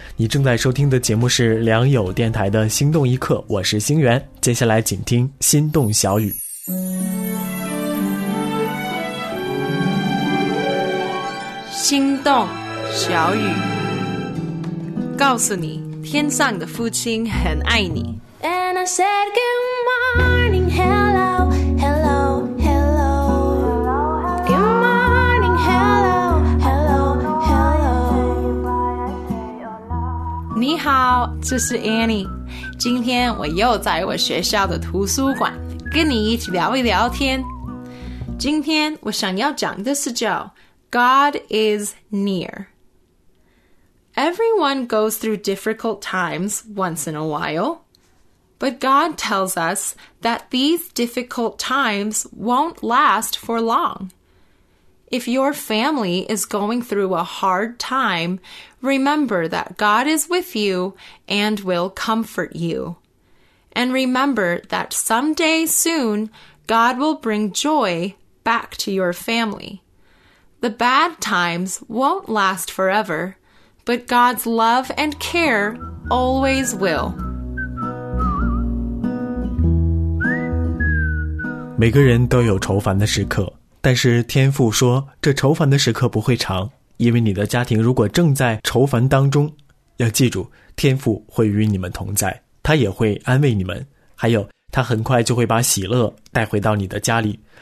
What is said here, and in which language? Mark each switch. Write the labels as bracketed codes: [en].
[zh] 你正在收听的节目是良友电台的心动一刻，我是星源，接下来请听心动小语。心动小语告诉你，天上的父亲很爱你。 [en] And I said good morning, hello. [zh] 你好，这是 Annie。今天我又在我学校的图书馆跟你一起聊一聊天。今天我想要讲的是叫 [en] God is near。 Everyone goes through difficult times once in a while, but God tells us that these difficult times won't last for long. If your family is going through a hard timeRemember that God is with you and will comfort you. And remember that someday soon, God will bring joy back to your family. The bad times won't last forever, but God's love and care always will. [zh] 每个人都有愁烦的时刻，但是天父说，这愁烦的时刻不会长。因为你的家庭如果正在愁烦当中，要记住，天父会与你们同在，他也会安慰你们，还有他很快就会把喜乐带回到你的家里。